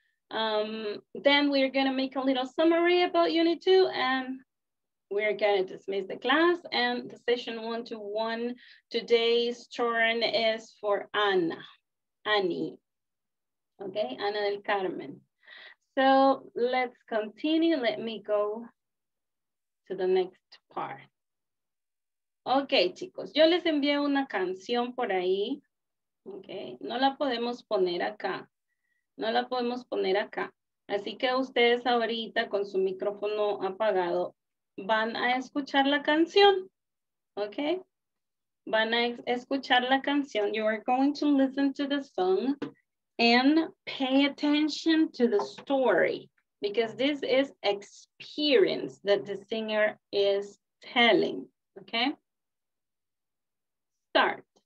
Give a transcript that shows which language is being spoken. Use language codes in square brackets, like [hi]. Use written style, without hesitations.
[en] Then we're gonna make a little summary about Unit 2, and we're gonna dismiss the class, and the session 1-to-1, today's turn is for Annie. Okay, Ana del Carmen. So let's continue, let me go to the next part. [es] Okay, chicos, yo les envié una canción por ahí. Okay, no la podemos poner acá. No la podemos poner acá. Así que ustedes ahorita con su micrófono apagado van a escuchar la canción. Okay? Van a escuchar la canción. [en] You are going to listen to the song and pay attention to the story, because this is experience that the singer is telling. Okay? Start.